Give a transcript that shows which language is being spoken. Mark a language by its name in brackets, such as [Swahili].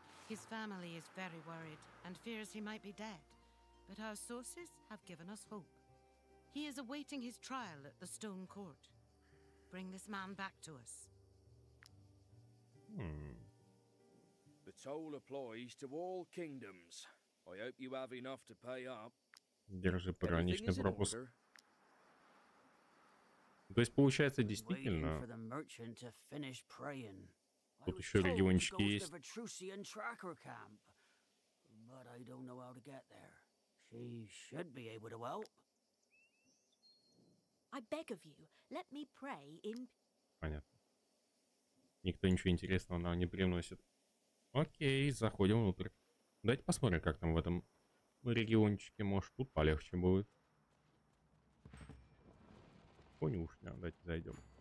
[English] His family is very worried and fears he might be dead, but our sources have given us hope. He is awaiting his trial at the Stone Court. Bring this man back to us. The toll applies to all kingdoms. I hope you have enough to pay up. [Russian] Держи пограничный пропуск. То есть получается действительно. Тут еще региончики есть. [English] But I don't know how to get there. She should be able to help. I beg of you, let me pray in. [Russian] Понятно. Никто ничего интересного нам не приносит. Окей, заходим внутрь. Давайте посмотрим, как там в этом региончике. Может, тут полегче будет. Конюшня, давайте зайдем.